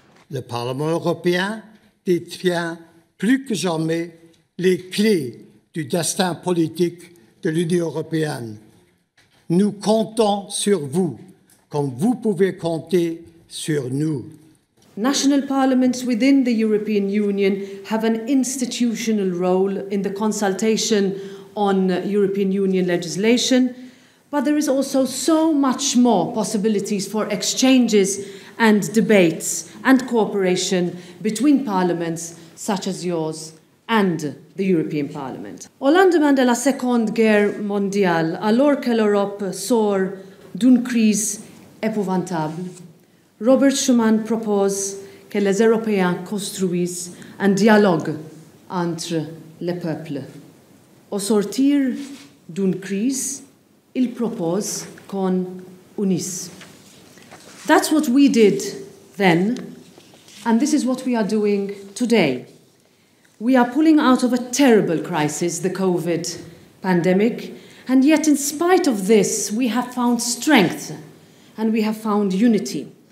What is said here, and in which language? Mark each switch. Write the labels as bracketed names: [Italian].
[French] Le Parlement européen détient plus que jamais les clés du destin politique de l'Union européenne. Nous comptons sur vous, comme vous pouvez compter sur nous. [English] National parliaments within the European Union have an institutional role in the consultation on European Union legislation, but there is also so much more possibilities for exchanges and debates and cooperation between parliaments such as yours and the European Parliament. [French] Au lendemain de la Seconde Guerre mondiale, alors que l'Europe sort d'une crise épouvantable, Robert Schuman propose que les Européens construisent un dialogue entre les peuples. Au sortir d'une crise, il propose qu'on unisse. [English] That's what we did then, and this is what we are doing today. We are pulling out of a terrible crisis, the COVID pandemic, and yet in spite of this, we have found strength and we have found unity.